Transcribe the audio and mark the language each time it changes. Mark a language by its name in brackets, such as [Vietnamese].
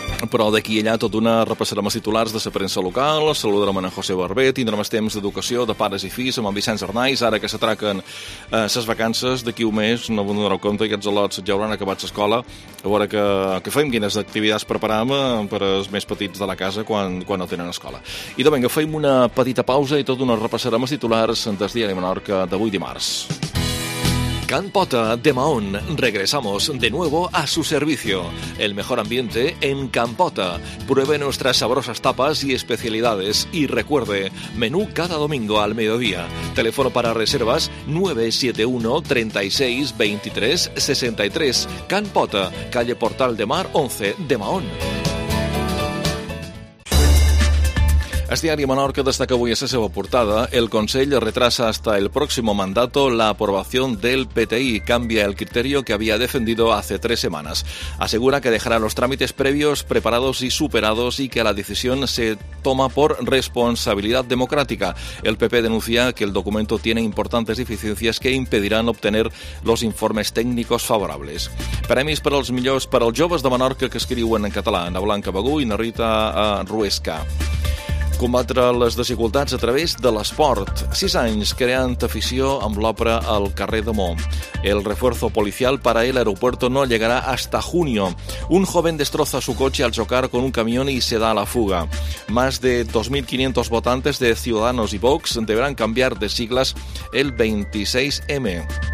[Catalan] Però d'aquí allà, tot una, repassarem els titulars de la premsa local, saludarem en José Barber, tindrem els temps d'educació de pares i fills amb en Vicenç Arnaiz, ara que s'atraquen les vacances, d'aquí un mes, no vos donareu compte, aquests al·lots ja hauran acabat l'escola, a veure què fem, quines activitats preparam per als més petits de la casa quan no tenen escola. I doncs vinga, fem una petita pausa i tot una, repassarem els titulars del Diari de Menorca d'avui dimarts. [Spanish] Can Pota de Mahón. Regresamos de nuevo a su servicio. El mejor ambiente en Can Pota. Pruebe nuestras sabrosas tapas y especialidades. Y recuerde, menú cada domingo al mediodía. Teléfono para reservas 971-36-23-63. Can Pota, calle Portal de Mar 11 de Mahón. [Catalan] El Diari Menorca destaca avui a la seva portada: [Spanish] el Consell retrasa hasta el próximo mandato la aprobación del PTI, cambia el criterio que había defendido hace 3 semanas. Asegura que dejará los trámites previos preparados y superados y que la decisión se toma por responsabilidad democrática. El PP denuncia que el documento tiene importantes deficiencias que impedirán obtener los informes técnicos favorables. [Catalan] Premis per als millors per als joves de Menorca que escriuen en català, Ana Blanca Bagú i Narita Ruesca. Combatre les desigualtats a través de l'esport. 6 anys creant afició amb l'òpera al carrer de Mont. [Spanish] El refuerzo policial para el aeropuerto no llegará hasta junio. Un joven destroza su coche al chocar con un camión y se da a la fuga. Más de 2.500 votantes de Ciudadanos y Vox deberán cambiar de siglas el 26M.